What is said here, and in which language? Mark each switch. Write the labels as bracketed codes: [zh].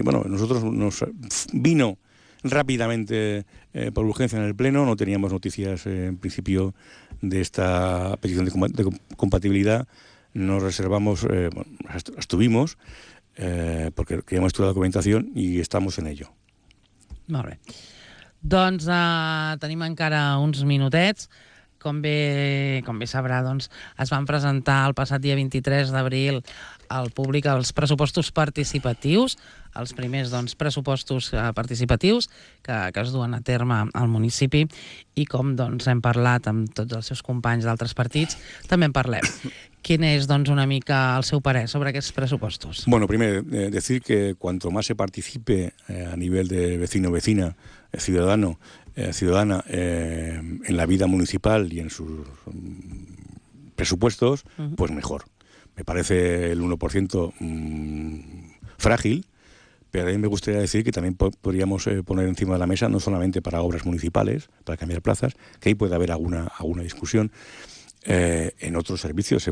[es] Bueno, nosotros nos vino rápidamente por urgencia en el Pleno. No teníamos noticias en principio de esta petición de compatibilidad. Nos reservamos, estuvimos, porque queríamos estudiar la documentación y estamos en ello. [ca] Molt bé. Doncs tenim encara uns minutets. Com bé sabrà, doncs, es van presentar el passat dia 23 d'abril al públic els pressupostos participatius, els primers doncs, pressupostos participatius que es duen a terme al municipi, i com doncs, hem parlat amb tots els seus companys d'altres partits, també en parlem. Quin és doncs, una mica el seu parer sobre aquests pressupostos? [es] Bueno, primer, decir que cuanto más se participe a nivel de vecino, vecina, ciudadano, ciudadana, en la vida municipal y en sus presupuestos, pues mejor. Me parece el 1% frágil, pero a mí me gustaría decir que también podríamos poner encima de la mesa, no solamente para obras municipales, para cambiar plazas, que ahí puede haber alguna discusión, en otros servicios.